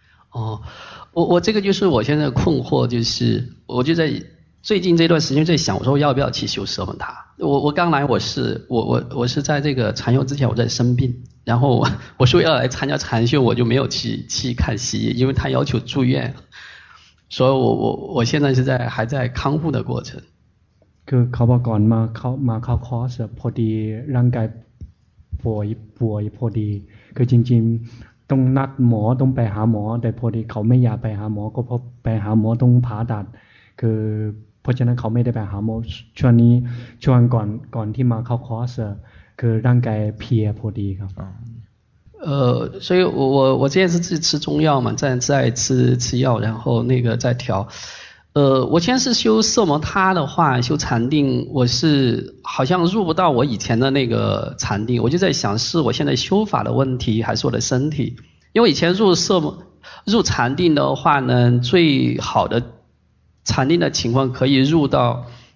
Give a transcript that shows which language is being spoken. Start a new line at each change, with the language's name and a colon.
Chinese: 哦我这个就是我现在困惑就是我就在最近这段时间在想我说要不要去修奢摩他我刚来我是在这个禅修之前我在生病，然后我说要来参加禅修，我就没有去看西医，因为他要求住院，所以我现在是在还在康复的过程。
Thai: คือเขาบอกก่อนมาเข้าคอร์สพอดีร่างกายป่วยพอดีคือจริงๆต้องนัดหมอต้องไปหาหมอแต่พอดีเขาไม่อยากไปหาหมอก็เพราะไปหาหมอต้องผ่าตัดคือเพราะฉะนั้นเขาไม่ได้ไปหาหมอช่วงนี้ช่วงก่อนที่มาเข้าคอร์สคือร่างกายเพียพอดีครับ ซึ่ง
Chinese: 我现在是去吃中药嘛在吃药然后那个再调我现在是修色摩他的话修禅定我是好像入不到我以前的那个禅定我就在想是我现在修法的问题还是我的身体因为以前入禅定的话呢最好的禅定的情况可以入到